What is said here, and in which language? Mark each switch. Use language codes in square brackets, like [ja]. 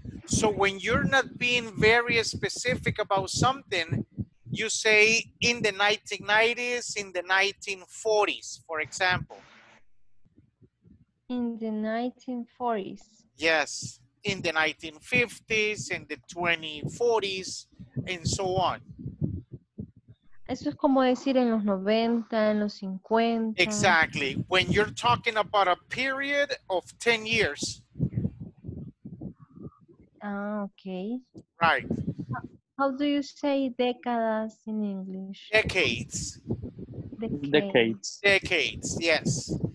[en] So when you're not being very specific about something, you say in the 1990s, in the 1940s, for example. In the 1940s. Yes, in the 1950s, in the 2040s, and so on. [es] Eso es como decir en los 90, en los 50. [en] Exactly, when you're talking about a period of 10 years. Ah, okay. Right. How do you say décadas in English? Decades. Decades. Decades, yes.